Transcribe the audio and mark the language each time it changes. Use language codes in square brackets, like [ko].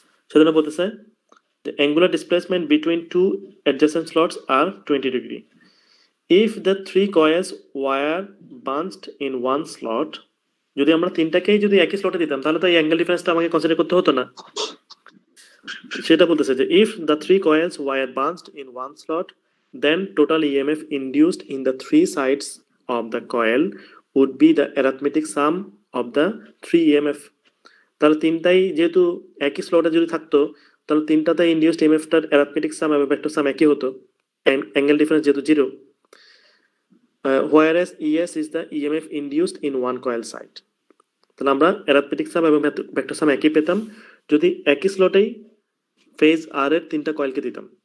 [bn] সেজন্য বলতেছে [en] The angular displacement between 2 adjacent slots are 20 degree. If the 3 coils were bunched in one slot, [bn] যদি আমরা 3টাকেই যদি একই স্লটে দিতাম তাহলে তো এই অ্যাঙ্গেল ডিফারেন্সটা আমাকে কনসিডার করতে হতো না, সেটা বলতেছে যে if the 3 coals war বাঞ্চড in one slot [en] then total EMF induced in the three sides of the coil would be the arithmetic sum of the three EMF. [bn] তাহলে তিনটাই যেহেতু একই স্লটে যদি থাকতো তাহলে তিনটাতে ইনডিউসড ইএমএফটার অ্যারিথমেটিক সাম এবং ভেক্টর সাম একই হতো, অ্যাঙ্গেল ডিফারেন্স যেহেতু zero. [en] where S ES is the EMF induced in one coil side, [bn] তাহলে আমরা অ্যারিথমেটিক সাম এবং ভেক্টর সাম একই পেতাম যদি একই স্লটেই ফেজ আর এর তিনটা কয়েলকে দিতাম।